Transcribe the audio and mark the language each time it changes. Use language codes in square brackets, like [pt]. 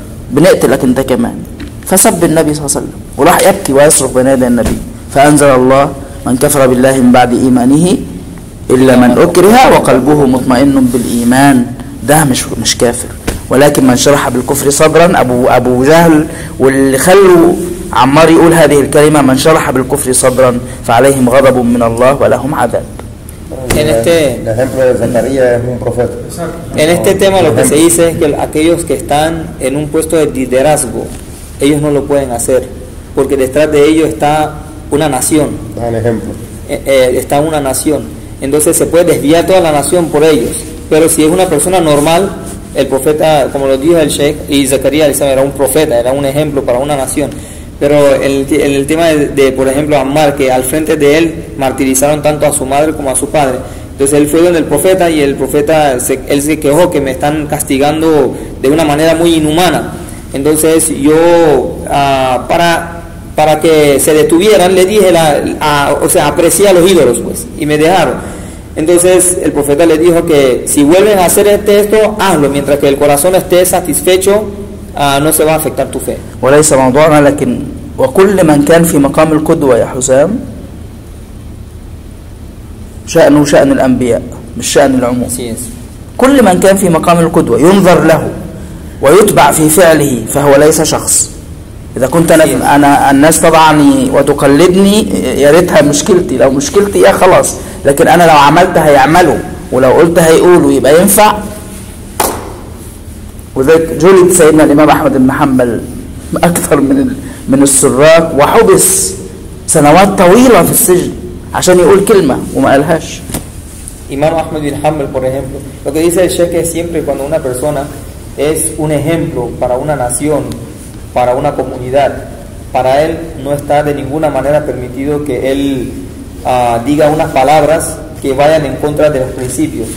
[ar] بنقتلك أنت كمان، فسب النبي صلى الله عليه وسلم وراح يبكي ويصرخ بنادى النبي، فأنزل الله من كفر بالله من بعد إيمانه إلا من أكره وقلبه مطمئن بالإيمان، ده مش كافر، ولكن من شرح بالكفر صدرا، أبو جهل واللي خلوا عمار يقول هذه الكلمة، من شرح بالكفر صدرا فعليهم غضب من الله ولهم عذاب. [es] En este tema lo que se dice es que aquellos que están en un puesto de liderazgo ellos no lo pueden hacer porque detrás de ellos está una nación. Un ejemplo. Está una nación. Entonces se puede desviar toda la nación por ellos. Pero si es una persona normal, el profeta, como lo dijo el Sheikh, y Zacarías era un profeta, era un ejemplo para una nación. Pero en el tema de, por ejemplo, Ammar, que al frente de él martirizaron tanto a su madre como a su padre. Entonces él fue donde el profeta, y el profeta se quejó que me están castigando de una manera muy inhumana. Entonces yo, para que se detuvieran, le dije, aprecié a los ídolos, pues, y me dejaron. Entonces, el profeta le dijo que si vuelven a hacer este esto, hazlo, mientras que el corazón esté satisfecho, no se va a afectar tu fe. [ar] وليس موضوعنا لكن وكل من كان في مقام القدوة يا حسام شأنه شأن الأنبياء مش شأن العموم. كل من كان في مقام القدوة ينظر له ويتبع في فعله فهو ليس شخص. إذا كنت أنا الناس تضعني وتقلدني يا ريتها مشكلتي، لو مشكلتي يا خلاص، لكن أنا لو عملت هيعملوا ولو قلت هيقولوا يبقى ينفع. وذلك جلد سيدنا الإمام أحمد بن حنبل أكثر من السراك، وحبس سنوات طويلة في السجن عشان يقول كلمة وما قالهاش. [es] إمام أحمد بن حنبل por ejemplo lo que dice el Sheikh es siempre cuando una persona es un ejemplo para una nación, para una comunidad, para él no está de ninguna manera permitido que él diga unas palabras que vayan en contra de los principios.